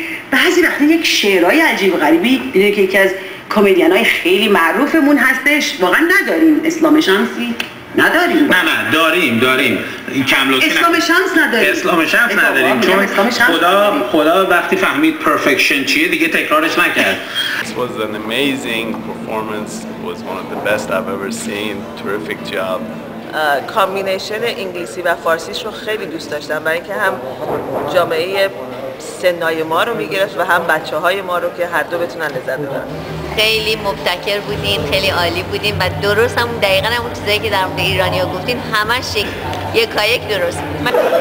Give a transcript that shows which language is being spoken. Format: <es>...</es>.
<fa>بعضی وقتا یک شعرهای عجیب غریبی بینه که یکی از کمدین های خیلی معروفمون هستش واقعا نداریم اسلام شمسی نداریم نه داریم داریم اسلام شمس نداریم اسلام شمس نداریم چون خدا وقتی فهمید پرفیکشن چیه دیگه تکرارش نکرد</fa> <en>This was an amazing performance. It was one of the best I've ever seen. Terrific job.</en> <fa>کامبینیشن انگلیسی و فارسیش رو خیلی دوست داشتم برای اینکه هم جامعه سنای ما رو میگرفت و هم بچه های ما رو که هر دو بتونن لذت ببرن خیلی مبتکر بودین خیلی عالی بودین و درست همون دقیقا همون چیزایی که در مورد ایرانی ها گفتین همه شکل یکایک درست بودین</fa>